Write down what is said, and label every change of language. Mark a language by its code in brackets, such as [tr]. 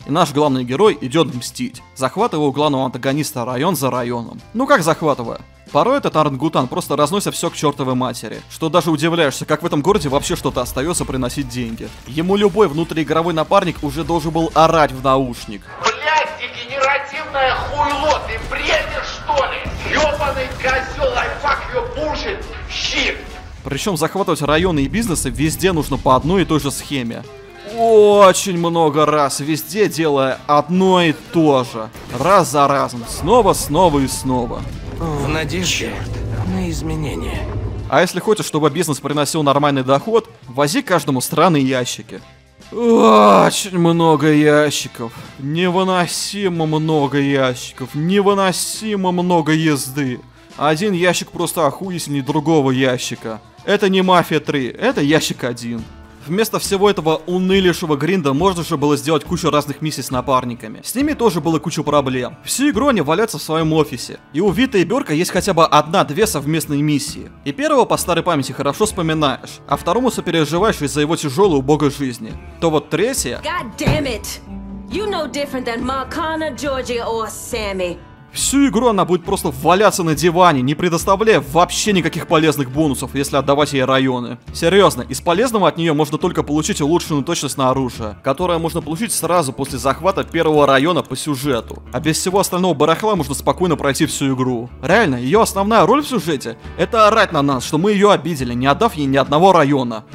[ru] И наш главный герой идет мстить, захватывая у главного антагониста район за районом. Ну как захватывая? Порой этот орангутан просто разносит все к чертовой матери, что даже удивляешься, как в этом городе вообще что-то остается приносить деньги. Ему любой внутриигровой напарник уже должен был орать в наушник. Блять, дегенеративное хуйло, ты бредишь что ли? Ёбаный козел, [en] I fuck your bullshit, shit! [ru] Причем захватывать районы и бизнесы везде нужно по одной и той же схеме. Очень много раз, везде делая одно и то же. Раз за разом, снова, снова и снова. В надежде на изменения. А если хочешь, чтобы бизнес приносил нормальный доход, вози каждому странные ящики. Очень много ящиков. Невыносимо много ящиков. Невыносимо много езды. Один ящик просто охуительнее другого ящика. Это не Мафия 3, это ящик 1. Вместо всего этого унылейшего гринда можно же было сделать кучу разных миссий с напарниками. С ними тоже было куча проблем. Всю игру они валятся в своем офисе. И у Вита и Бёрка есть хотя бы 1-2 совместные миссии. И первого по старой памяти хорошо вспоминаешь, а второму сопереживаешь из-за его тяжелой убогой жизни. То вот третья... [en] God damn it! You know different than Marcana, Georgia or Sammy. [ru] Всю игру она будет просто валяться на диване, не предоставляя вообще никаких полезных бонусов, если отдавать ей районы. Серьезно, из полезного от нее можно только получить улучшенную точность на оружие, которое можно получить сразу после захвата первого района по сюжету. А без всего остального барахла можно спокойно пройти всю игру. Реально, ее основная роль в сюжете — это орать на нас, что мы ее обидели, не отдав ей ни одного района.